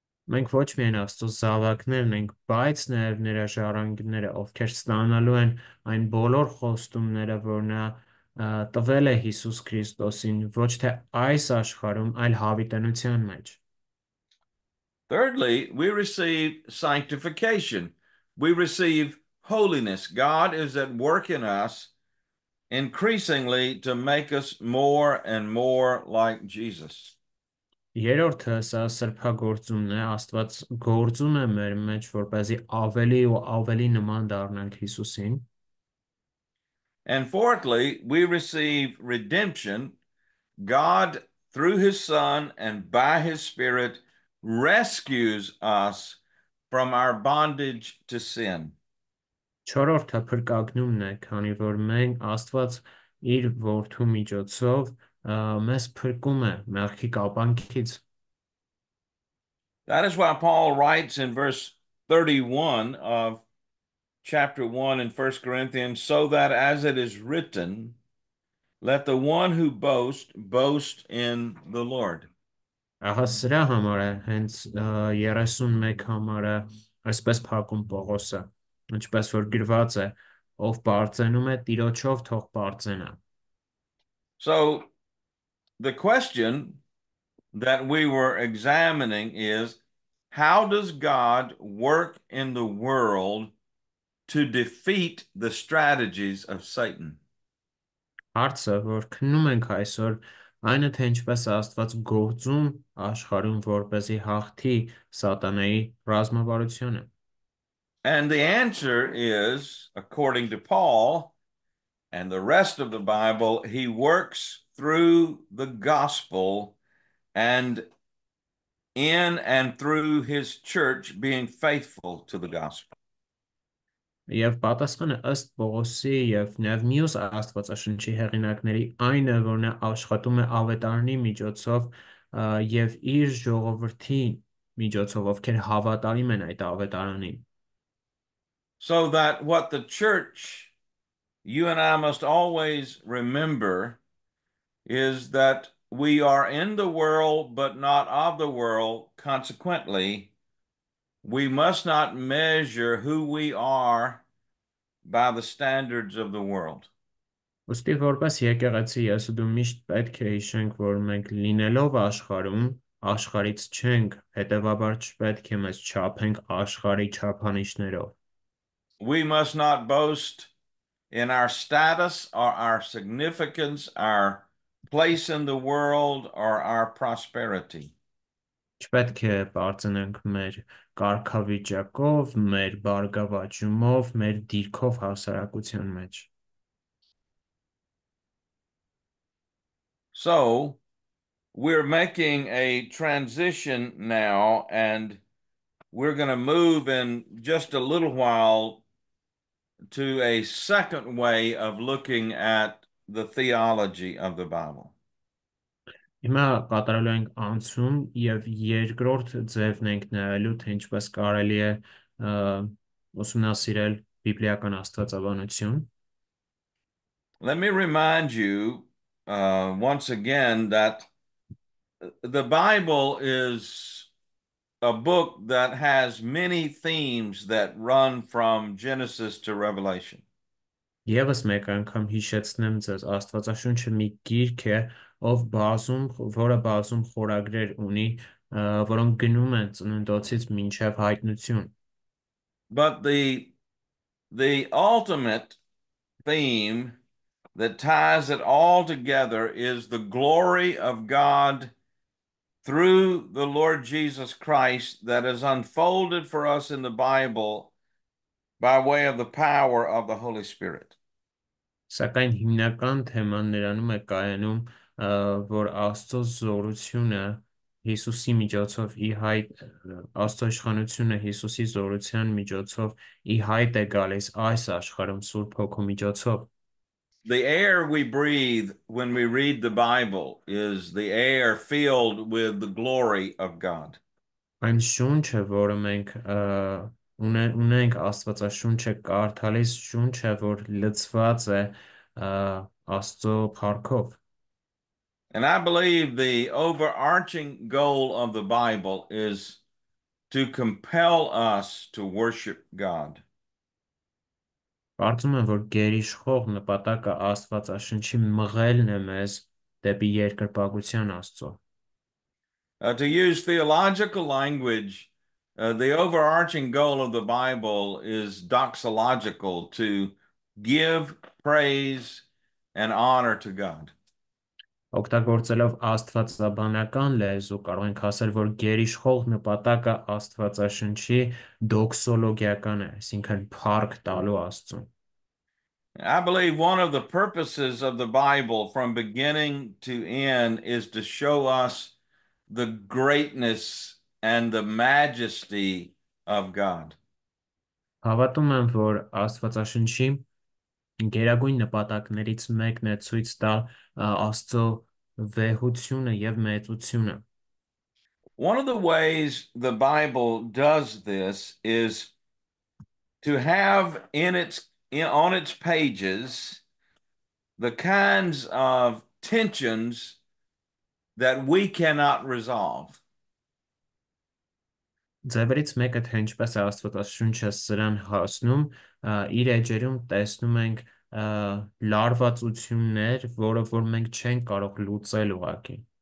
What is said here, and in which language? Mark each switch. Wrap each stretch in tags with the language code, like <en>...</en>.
<hy>Մենք ոչ միայն Աստծո զավակներն ենք, բայց նաև նրա ժառանգները, ովքեր ստանալու են այն բոլոր խոստումները, որ նա տվել է Հիսուս Քրիստոսին, ոչ թե այս աշխարհում, այլ հավիտենության մեջ։</hy> <en>Thirdly, we receive sanctification. We receive holiness. God is at work in us increasingly to make us more and more like Jesus.</en> <hy>Երրորդը, սա սրբագործումն է, Աստված գործում է մեր մեջ, որպեսզի ավելի ու ավելի նման դառնանք Հիսուսին.</hy> <en>And fourthly, we receive redemption. God, through his Son and by his Spirit, rescues us from our bondage to sin.</en> <hy>Չորրորդը փրկագնումն է, քանի որ մենք Աստված իր որդու միջոցով մեզ փրկում է մեղքի կապանքից.</hy> <en>That is why Paul writes in verse 31 of chapter 1 in 1 Corinthians, so that as it is written, let the one who boasts boast in the Lord.</en> <hy>Ահա սրա համար է, հենց 31 համարը, այսպես փակում Պողոսը, ինչպես որ գրված է, ով բարձենում է տիրոջով, թող բարձենա։</hy> <en>So the question that we were examining is, how does God work in the world to defeat the strategies of Satan?</en> <hy>Հարցը, որ քննում ենք այսօր, Այնը թե ինչպես Աստված գործում աշխարհում որպեսի հաղթի Սատանայի ռազմավարությունը։</hy> <en>And the answer is, according to Paul and the rest of the Bible, he works through the gospel and in and through his church being faithful to the gospel.</en> <hy>Եվ պատասխանը ըստ Պողոսի եւ նաեւ մյուս Աստվածաշնչի հեղինակների այն է, որ նա աշխատում է ավետարանի միջոցով եւ իր ժողովրդի միջոցով, ովքեր հավատարիմ են այդ ավետարանին։</hy> <en>So that what the church, you and I must always remember, is that we are in the world but not of the world. Consequently, we must not measure who we are by the standards of the world.</en> <hy>Ոստի որպես եկեղեցի ես ու դու միշտ պետք է հիշենք, որ մենք լինելով աշխարհում աշխարից չենք, հետևաբար չպետք է մեզ չափենք աշխարհի չափանիշներով։</hy> <en>We must not boast in our status or our significance, our place in the world or our prosperity.</en> <hy>Չպետք է պարծենանք մեր կարգավիճակով, մեր բարգավաճումով, մեր դիրքով հասարակության մեջ։</hy> <en>So we're making a transition now, and we're going to move in just a little while to a second way of looking at the theology of the Bible.</en> <hy>Հիմա կատարելու ենք անցում եւ երկրորդ ձևն ենք նայելու, թե ինչպես կարելի է ուսումնասիրել բիբլիական աստվածաբանություն։</hy> <en>Let me remind you once again that the Bible is a book that has many themes that run from Genesis to Revelation.</en> <hy>Եվս մեկ անգամ հիշեցնեմ ձեզ, Աստվածաշունչը մի գիրք է, ով բազում, որը բազում խորագրեր ունի, որոնք գնում են ծննդոցից մինչև հայտնություն։</hy> <en>But the ultimate theme that ties it all together is the glory of God through the Lord Jesus Christ that is unfolded for us in the Bible by way of the power of the Holy Spirit.</en> <hy>Սակայն հիմնական թեման ներանում է կայանում, որ Աստծո զորությունը Հիսուսի միջոցով ի հայտ, Աստծո իշխանությունը Հիսուսի զորության միջոցով ի հայտ է գալիս այս աշխարհում Սուրբ Հոգու միջոցով։</hy> <en>The air we breathe when we read the Bible is the air filled with the glory of God.</en> <hy>Այն շունչը, որը մենք ունենք, Աստվածաշունչը կարդալիս շունչը, որ լցված է Աստծո փառքով։</hy> <en>And I believe the overarching goal of the Bible is to compel us to worship God.</en> <hy>Կարծում եմ, որ գերիշխող նպատակը Աստվածաշնչի մղելն է մեզ դեպի երկրպագության Աստծո։</hy> <en>To use theological language, the overarching goal of the Bible is doxological, to give praise and honor to God.</en> <hy>Օգտագործելով աստվածաբանական լեզու կարող ենք ասել, որ գերիշխող նպատակը Աստվածաշնչի դոքսոլոգիական է, այսինքն փառք տալու Աստծուն։</hy> <en>I believe one of the purposes of the Bible from beginning to end is to show us the greatness and the majesty of God.</en> <hy>Հավատում եմ, որ Աստվածաշնչի գերագույն նպատակներից մեկն է ցույց տալ Աստծո վեհությունը եւ մեծությունը։</hy> <en>One of the ways the Bible does this is to have on its pages the kinds of tensions that we cannot resolve.</en> <hy>Ձևերից մեկը, թե ինչպես է Աստվածաշունչը սրան հասնում, իր էջերում տեսնում ենք լարվածություններ, որը որ մենք չենք կարող լուծել ուղղակի։</hy>